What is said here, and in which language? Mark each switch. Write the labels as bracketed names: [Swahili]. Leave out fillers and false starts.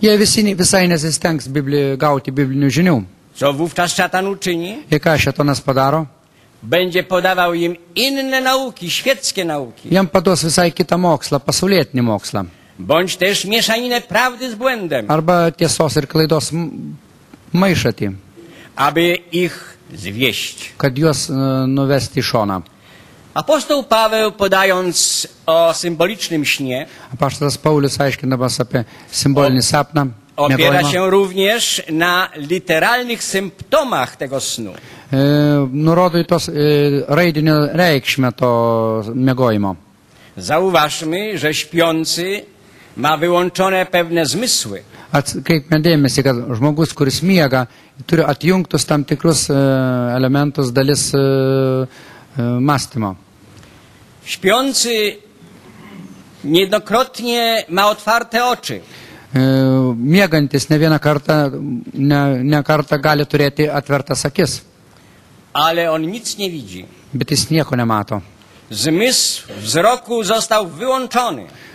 [Lithuanian] Jie visai nesistengs gauti biblinių žinių. [Polish] Co wówczas szatan uczyni? [Lithuanian] I ką šetonas padaro? [Polish] Będzie podawał im inne nauki, świeckie nauki. [Lithuanian] Jam paduos visai kitą mokslą, pasaulietinį mokslą. [Polish] Bądź też mieszaninę prawdy z błędem. [Lithuanian] Arba tiesos ir klaidos maišatį. [Polish] Aby ich zwieść. [Lithuanian] Kad juos nuvesti į šoną. [Polish] Apostoł Paweł, podając o symbolicznym śnie, [Lithuanian] apaštalas Paulius aiškindamas apie simbolinį sapną, [Polish] opiera się również na literalnych symptomach tego snu. [Lithuanian] Nurodo į tos raidinio reikšmę to miegojimo. [Polish] Zauważmy, że śpiący ma wyłączone pewne zmysły. [Lithuanian] Atkreipkime dėmesį, kad žmogus, kuris miega, turi atjungtus tam tikrus elementus dalis mąstymo. [Polish] Śpiący niejednokrotnie ma otwarte oczy. [Lithuanian] Miegantis ne vieną kartą, ne kartą gali turėti atvertas akis. [Polish] Ale on nic nie widzi. [Lithuanian] Bet jis nieko nemato. [Polish] zmysł wzroku został wyłączony.